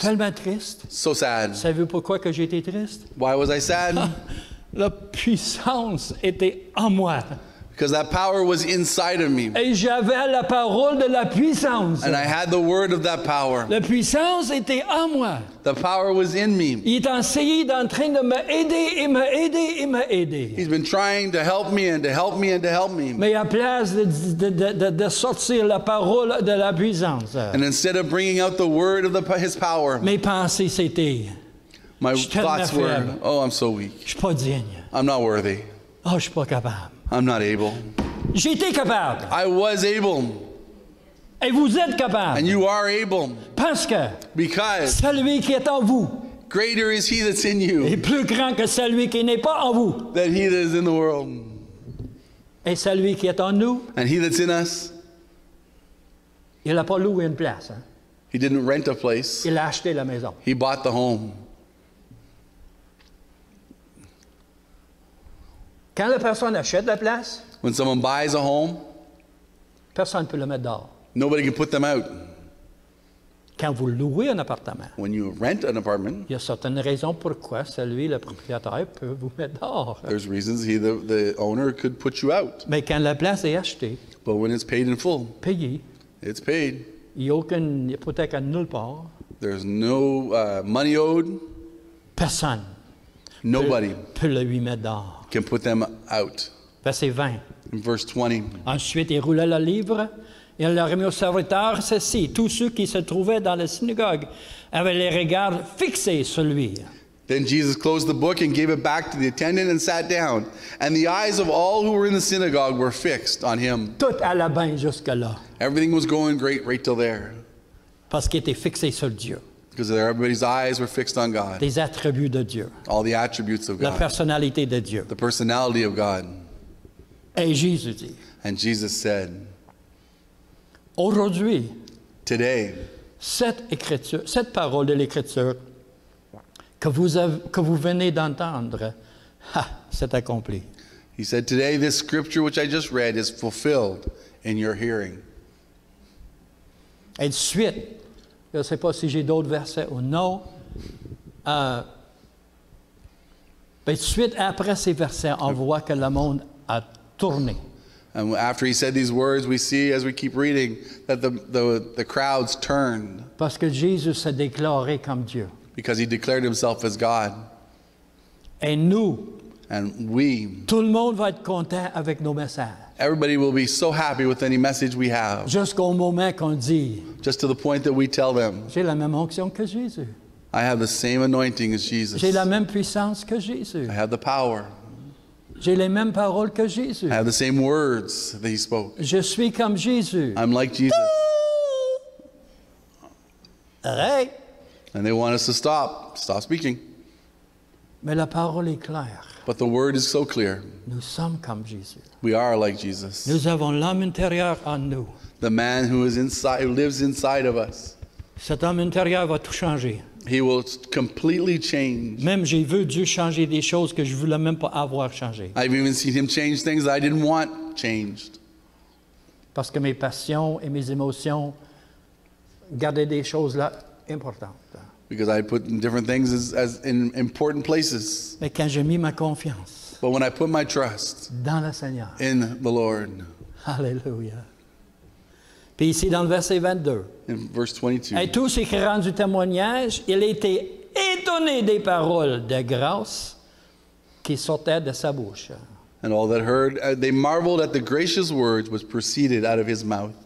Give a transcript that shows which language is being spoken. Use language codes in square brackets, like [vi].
[fr] Tellement triste. [en] So sad. [fr] Savez-vous pourquoi que j'étais triste? [en] Why was I sad? [fr] La puissance était en moi. [en] Because that power was inside of me. [fr] Et j'avais la parole de la puissance. [en] And I had the word of that power. [fr] La puissance était en moi. [en] The power was in me. [fr] Il est essayé d'entrer de m'aider et m'aider et m'aider. [en] He's been trying to help me and to help me and to help me. [fr] Mais à place de sortir la parole de la puissance. [en] And instead of bringing out the word of his power. [fr] Mes pensées c'était. [en] My thoughts were, oh, I'm so weak. [fr] Je suis pas digne. [en] I'm not worthy. [fr] Oh, je suis pas capable. [en] I'm not able. [fr] J'étais capable. [en] I was able. [fr] Et vous êtes capable. [en] And you are able. [fr] Parce que [en] because [fr] celui qui est en vous. [en] Greater is he that's in you. [fr] Et plus grand que celui qui n'est pas en vous. [en] Than he that is in the world. [fr] Et celui qui est en nous. [en] And he that's in us. [fr] Il a pas loué une place. Hein? [en] He didn't rent a place. [fr] Il a acheté la maison. [en] He bought the home. [fr] Quand la personne achète la place, [en] when someone buys a home, [fr] personne peut le mettre dehors. [en] Nobody can put them out. [fr] Quand vous louez un appartement, [en] when you rent an apartment, [fr] il y a certaines raisons pourquoi celui, le propriétaire, peut vous mettre dehors. [en] There's reasons he, the owner, could put you out. [fr] Mais quand la place est achetée, [en] but when it's paid in full, [fr] payé, [en] it's paid. [fr] Il y a aucune hypothèque à nulle part. [en] There's no money owed. [fr] Personne. [en] Nobody. [fr] Peut lui mettre dehors. [en] Can put them out. [fr] Verset 20. [en] In verse 20. [fr] Ensuite, il roulait le livre. Il leur remit au serviteur ceci. Tous ceux qui se trouvaient dans la synagogue avaient les regards fixés sur lui. [en] Then Jesus closed the book and gave it back to the attendant and sat down. And the eyes of all who were in the synagogue were fixed on him. [fr] Tout allait bien jusque-là. [en] Everything was going great right till there. [fr] Parce qu'il était fixé sur Dieu. [en] Because everybody's eyes were fixed on God. [fr] Des attributs de Dieu. [en] All the attributes of [fr] God. La personnalité de Dieu. [en] The personality of God. [fr] Et Jésus dit. [en] And Jesus said. [fr] Aujourd'hui, [en] today, [fr] cette parole de l'Écriture que vous venez d'entendre, c'est accompli. [en] He said, today, this scripture which I just read is fulfilled in your hearing. [fr] Et suite, je ne sais pas si j'ai d'autres versets ou non, mais suite après ces versets, on voit que le monde a tourné. [en] And after he said these words, we see, as we keep reading, that the crowds turned. [fr] Parce que Jésus s'est déclaré comme Dieu. [en] Because he declared himself as God. [fr] Et nous, [en] and we, [fr] tout le monde va être content avec nos messages. [en] Everybody will be so happy with any message we have. [fr] Jusqu'au moment qu'on dit, [en] just to the point that we tell them, [fr] j'ai la même onction que Jésus. [en] I have the same anointing as Jesus. [fr] J'ai la même puissance que Jésus. [en] I have the power. [fr] J'ai les mêmes paroles que Jésus. [en] I have the same words that he spoke. [fr] Je suis comme Jésus. [en] I'm like Jesus. [fr] Arrête. [en] And they want us to stop. Stop speaking. [fr] Mais la parole est claire. [en] But the word is so clear. [fr] Nous sommes comme Jésus. [en] We are like Jesus. [fr] Nous avons l'homme intérieur en nous. [en] The man who is inside, who lives inside of us. [fr] Cet homme intérieur va tout changer. [en] He will completely change. [fr] Même j'ai vu Dieu changer des choses que je voulais même pas avoir changé. [en] I've even seen him change things I didn't want changed. [fr] Parce que mes passions et mes émotions gardaient des choses là importantes. [en] Because I put different things as in important places. [fr] Mais quand j'ai mis ma confiance. [en] But when I put my trust. [fr] Dans le Seigneur. [en] In the Lord. [fr] Hallelujah. Puis ici, dans le verset 22. [en] In verse 22. [fr] Et tous ceux qui rendent du témoignage, il était étonné des paroles de grâce qui sortaient de sa bouche. [en] And all that heard, they marveled at the gracious words which proceeded out of his mouth.